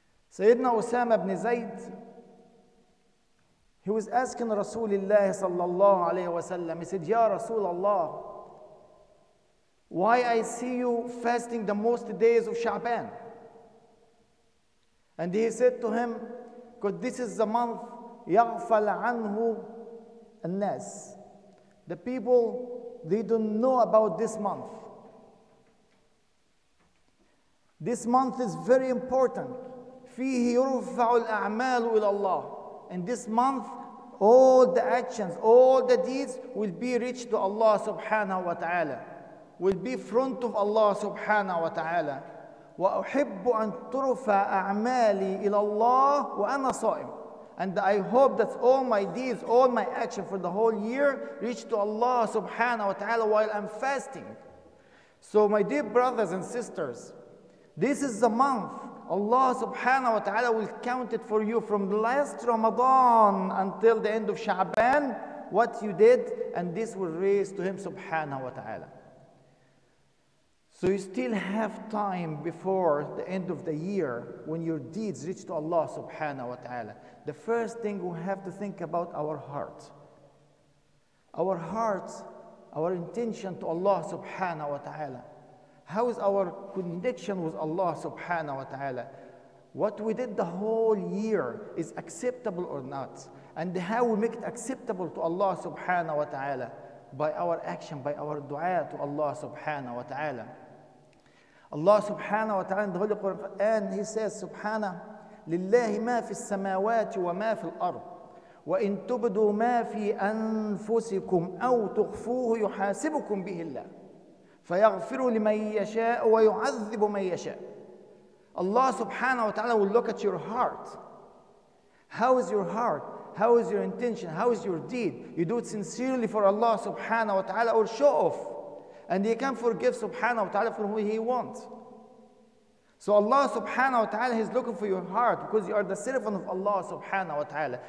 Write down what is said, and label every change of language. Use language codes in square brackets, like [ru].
[en] Sayyidina Usama ibn Zayd, he was asking Rasulullah sallallahu alayhi wa sallam, he said, Ya Rasulullah, why I see you fasting the most days of Sha'ban? And he said to him, because this is the month [ar] يغفل عنه الناس. [en] The people, they don't know about this month. This month is very important. [ar] فيه يرفع الأعمال إلى الله. [en] In this month, all the actions, all the deeds will be reached to Allah subhanahu wa ta'ala. Will be front of Allah subhanahu wa ta'ala. [ar] وأحب أن ترفع أعمالي إلى الله وأنا صائم. [en] And I hope that all my deeds, all my action for the whole year reach to Allah subhanahu wa ta'ala while I'm fasting. So my dear brothers and sisters, this is the month Allah subhanahu wa ta'ala will count it for you from last Ramadan until the end of Sha'ban, what you did, and this will raise to Him subhanahu wa ta'ala. So you still have time before the end of the year when your deeds reach to Allah subhanahu wa ta'ala. The first thing we have to think about our heart. Our heart, our intention to Allah subhanahu wa ta'ala. How is our connection with Allah subhanahu wa ta'ala? What we did the whole year is acceptable or not? And how we make it acceptable to Allah subhanahu wa ta'ala? By our action, by our dua to Allah subhanahu wa ta'ala. Allah subhanahu wa ta'ala in the Holy Quran, He says, subhanahu, [ar] لله ما في السماوات وما في الأرض وإن تبدوا ما في أنفسكم أو تخفوه يحاسبكم به الله فيغفر لمن يشاء ويعذب من يشاء. [en] Allah subhanahu wa ta'ala will look at your heart. How is your heart? How is your intention? How is your deed? You do it sincerely for Allah subhanahu wa ta'ala or show off. And he can forgive subhanahu wa ta'ala for who he wants. So Allah subhanahu wa ta'ala is looking for your heart because you are the servant of Allah subhanahu wa ta'ala.